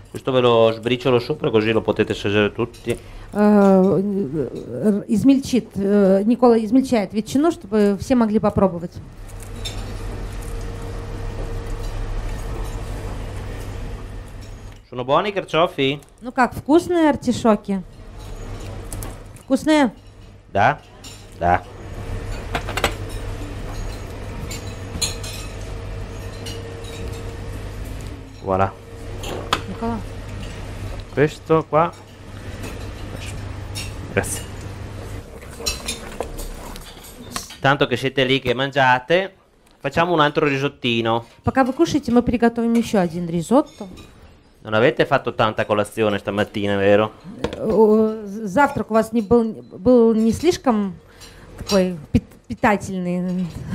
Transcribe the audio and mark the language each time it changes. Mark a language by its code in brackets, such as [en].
[it] Ve lo sbriciolo sopra così lo potete assaggiare tutti. [ru] Измельчит Никола измельчает ветчину, чтобы все могли попробовать. [it] Sono buoni i carciofi? [ru] Ну как, вкусные артишоки? Вкусные? Да. Да. [fr] Voilà. [ru] Никола. [it] Questo qua. Grazie. Tanto che siete lì che mangiate, facciamo un altro risottino. [ru] Пока вы кушаете, мы приготовим еще один ризотто. [it] Non avete fatto tanta colazione stamattina, vero? [ru] Завтрак у вас не был, был не слишком такой питательный.